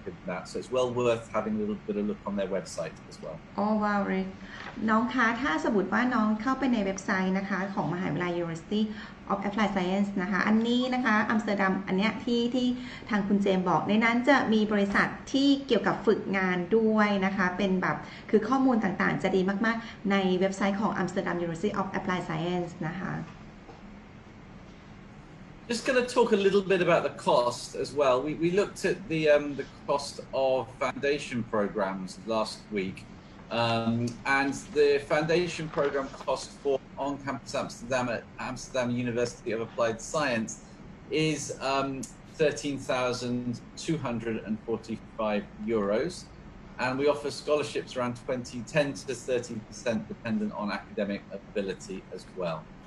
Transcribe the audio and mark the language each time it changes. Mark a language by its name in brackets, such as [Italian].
[English] That so it's well worth having a little bit of look on their website as well. Oh wow, right. [Thai] น้องคะถ้าสมมุติว่าน้องเข้าไปในเว็บไซต์นะคะของมหาวิทยาลัย University of Applied Science นะคะอันนี้นะคะอัมสเตอร์ดัมอันเนี้ยที่ทางคุณเจมบอกในนั้นจะมีบริษัทที่เกี่ยวกับฝึกงานด้วยนะคะเป็นแบบคือข้อมูลต่างๆจะดีมากๆในเว็บไซต์ของอัมสเตอร์ดัม University of Applied Science นะคะ [English] Just going to talk a little bit about the cost as well. We looked at the cost of foundation programs last week, and the foundation program cost for on-campus Amsterdam at Amsterdam University of Applied Science is €13,245, and we offer scholarships around 10 to 30%, dependent on academic ability as well.